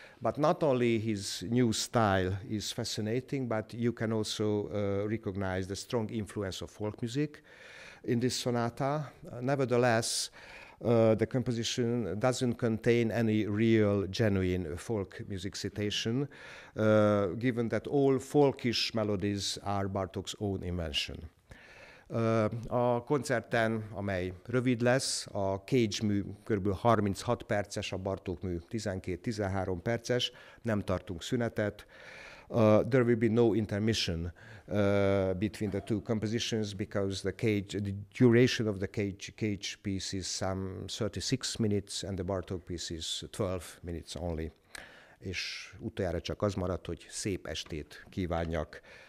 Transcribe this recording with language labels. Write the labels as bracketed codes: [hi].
[en] But not only his new style is fascinating, but you can also recognize the strong influence of folk music in this sonata. Nevertheless, the composition doesn't contain any real, genuine folk music citation, given that all folkish melodies are Bartók's own invention. [hu] A koncerten, amely rövid lesz, a Cage mű kb. 36 perces, a Bartók mű 12-13 perces, nem tartunk szünetet. [en] There will be no intermission between the two compositions because the duration of the Cage piece is some 36 minutes and the Bartók piece is 12 minutes only. [hu] És utoljára csak az maradt, hogy szép estét kívánjak.